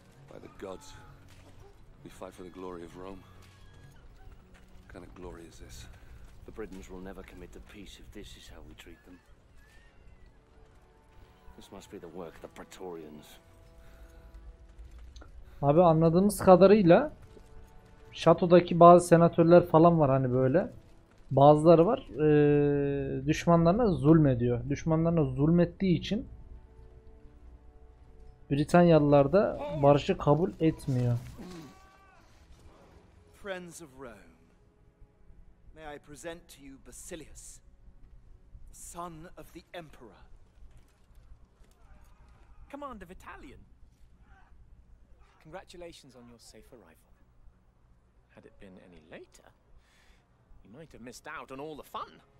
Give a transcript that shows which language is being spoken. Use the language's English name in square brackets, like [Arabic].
[English] By the gods, we fight for the glory of Rome. What kind of glory is this? The Britons will never commit to peace if this is how we treat them. This must be the work of the Praetorians. [Turkish] Abi anladığımız kadarıyla şatodaki bazı senatörler falan var hani böyle. Bazıları var. Düşmanlarına zulmediyor. Düşmanlarına zulmettiği için Britanyalılar da barışı kabul etmiyor. [English] Friends of Rome. May I present to you Basilius, son of the emperor. Command of Italian. Congratulations on your safe arrival. Had it been any later, you might have missed out on all the fun.